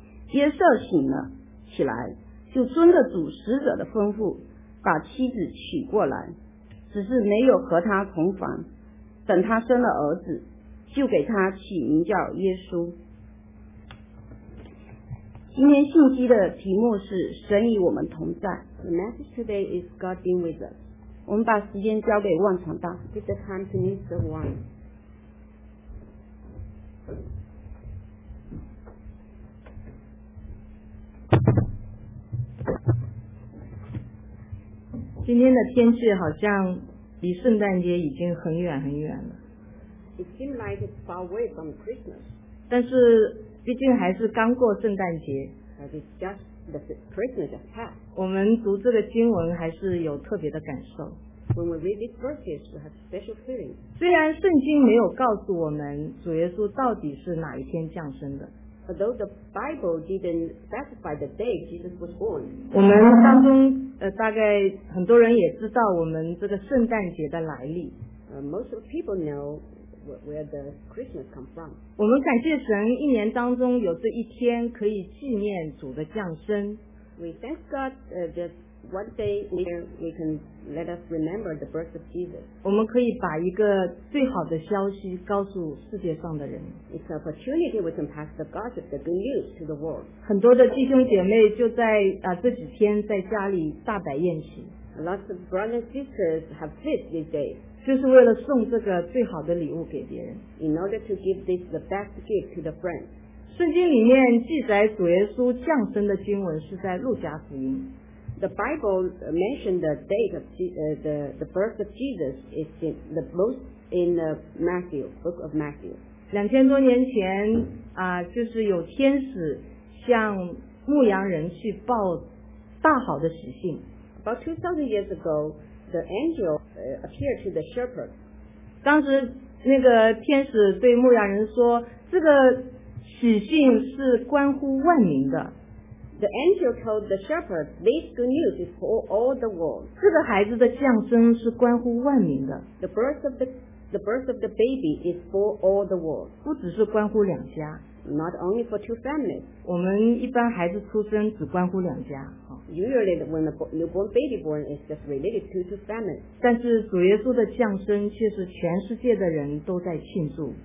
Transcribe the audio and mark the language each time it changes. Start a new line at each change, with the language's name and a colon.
Chinese: 约瑟醒了起来，就遵着主使者的吩咐把妻子娶过来，只是没有和他同房，等他生了儿子就给他起名叫耶稣。今天信息的题目是神与我们同在。
English: The message today is God being with us.
Chinese: 我们把时间交给万传道。
English: Give the time to Mr. Wang.
Chinese: 今天的天气好像离圣诞节已经很远很远了。
English: It seems like it's far away from Christmas.
Chinese: 但是毕竟还是刚过圣诞节。
English: But it's just the Christmas just passed.
Chinese: 我们读这个经文还是有特别的感受。
English: When we read these verses, we have special feelings.
Chinese: 虽然圣经没有告诉我们主耶稣到底是哪一天降生的。
English: Although the Bible didn't specify the day Jesus was born,
Chinese: 我们当中大概很多人也知道我们这个圣诞节的来历。
English: Most of people know where the Christmas come from.
Chinese: 我们感谢神，一年当中有这一天可以纪念主的降生。
English: We thank God that one day here we can let us remember the birth of Jesus.
Chinese: 我们可以把一个最好的消息告诉世界上的人。
English: It's an opportunity we can pass the gospel, the good news to the world.
Chinese: 很多的弟兄姐妹就在这几天在家里大摆宴席。
English: Lots of brothers and sisters have feast these days.
Chinese: 就是为了送这个最好的礼物给别人。
English: In order to give this the best gift to the friends.
Chinese: 圣经里面记载主耶稣降生的经文是在路加福音。
English: The Bible mentioned the date of the birth of Jesus is in the most in the Matthew book of Matthew.
Chinese: 2000多年前就是有天使向牧羊人去报大好的喜讯。
English: About 2000 years ago, the angel appeared to the shepherd.
Chinese: 当时那个天使对牧羊人说，这个喜讯是关乎万民的。
English: The angel told the shepherd, "This good news is for all the world."
Chinese: 这个孩子的降生是关乎万民的。
English: The birth of the baby is for all the world.
Chinese: 不只是关乎两家。
English: Not only for two families.
Chinese: 我们一般孩子出生只关乎两家。
English: Usually, when a newborn baby born is just related to two families.
Chinese: 但是主耶稣的降生却是全世界的人都在庆祝。